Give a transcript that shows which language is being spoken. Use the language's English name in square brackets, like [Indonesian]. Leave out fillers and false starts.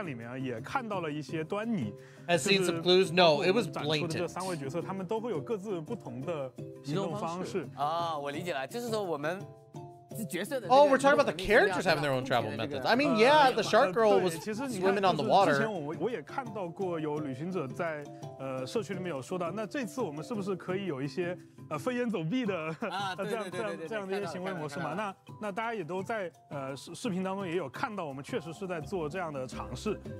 [Chinese] 4.8和4.7这两个版本前瞻的彩蛋里面也看到了一些端倪。 [English] Has seen some clues? No, it was blatant. [Chinese] 这三位角色他们都会有各自不同的行动方式啊，我理解了，就是说我们。 [English] Oh, we're talking about the characters having their own travel methods. I mean, yeah, the shark girl was swimming on the water. [Chinese] 之前我也看到过有旅行者在社区里面有说到，那这次我们是不是可以有一些飞檐走壁的这样的一些行为模式嘛？那大家也都在视频当中也有看到，我们确实是在做这样的尝试。